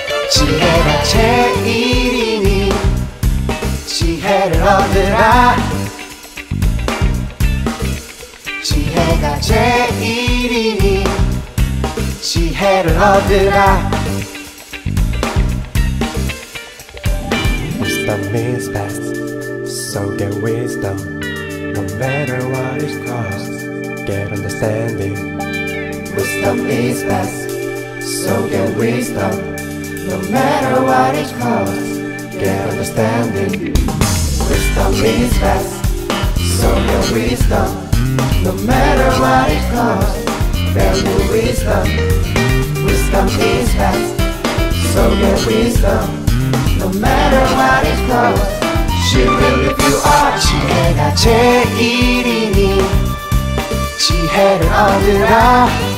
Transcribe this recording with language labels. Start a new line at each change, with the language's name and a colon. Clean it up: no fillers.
Korean: 지혜가 제일이니 지혜를 얻으라 지혜가 제일이니 지혜를 얻으라
English: Wisdom is best, so get wisdom No matter what it costs, get understanding Wisdom is best, so get wisdom No matter what it costs, get understanding. Wisdom is best, so get wisdom. No matter what it costs, value wisdom. Wisdom is best, so get wisdom. No matter what it costs, she will lift you up.
Korean: 지혜가 제일이니 지혜를 얻으라.